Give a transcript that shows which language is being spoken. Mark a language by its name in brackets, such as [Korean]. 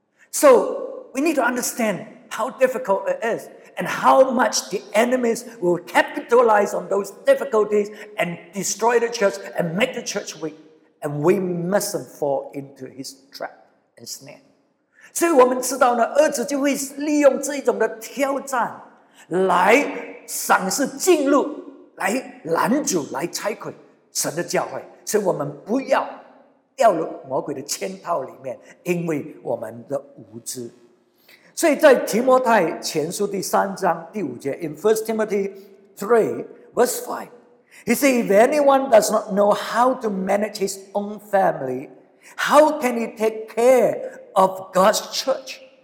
[English] So we need to understand how difficult it is. And how much the enemies will capitalize on those difficulties and destroy the church and make the church weak. And we mustn't fall into his trap and snare. [Chinese] 所以我们知道呢，儿子就会利用这一种的挑战来尝试进入，来拦阻，来拆毁神的教会。所以我们不要掉入魔鬼的圈套里面，因为我们的无知。所以在提摩太前书第三章第五节 [English] in 1 Timothy 3 verse 5 he says if anyone does not know how to manage his own family how can he take care of God's church